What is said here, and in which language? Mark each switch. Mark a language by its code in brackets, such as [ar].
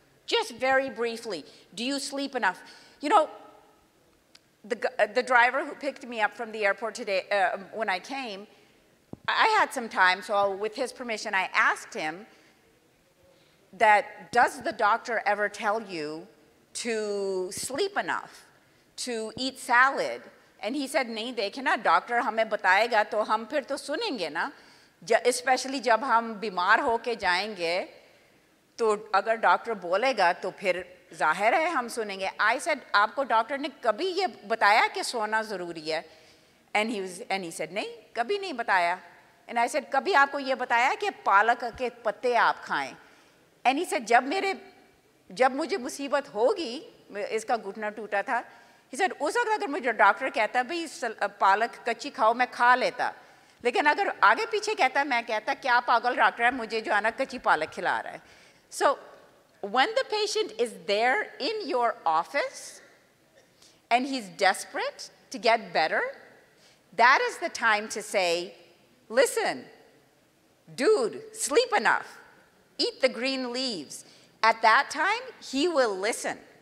[en] Just very briefly, do you sleep enough? You know, the driver who picked me up from the airport today, when I came, I had some time, so with his permission, I asked him that, does the doctor ever tell you to sleep enough, to eat salad? And he said, [ur] نہیں دیکھے نا، doctor ہمیں بتائے گا تو ہم پھر تو سنیں گے نا، especially جب ہم بیمار ہو کے جائیں گے، تو اگر ڈاکٹر بولے گا تو پھر ظاہر ہے ہم سنیں گے۔ [en] I said, [ur] آپ کو ڈاکٹر نے کبھی یہ بتایا کہ سونا ضروری ہے؟ [en] And he said, [ur] نہیں، کبھی نہیں بتایا۔ [en] And I said, [ur] کبھی آپ کو یہ بتایا کہ پالک کے پتے آپ کھائیں؟ [en] And he said, [ur] جب مجھے مصیبت ہوگی، اس کا گھٹنا ٹوٹا تھا، [en] he said, [ur] اس وقت اگر مجھے ڈاکٹر کہتا بھائی پالک کچی کھاؤ، میں کھا لیتا۔ لیکن اگر آگے پیچھے کہتا، میں کہتا، کیا پاگل ڈاکٹر ہے، مجھے جو ہے نا کچی پالک کھلا رہا ہے۔ [en] So when the patient is there in your office and he's desperate to get better, that is the time to say, listen, dude, sleep enough. Eat the green leaves. At that time, he will listen.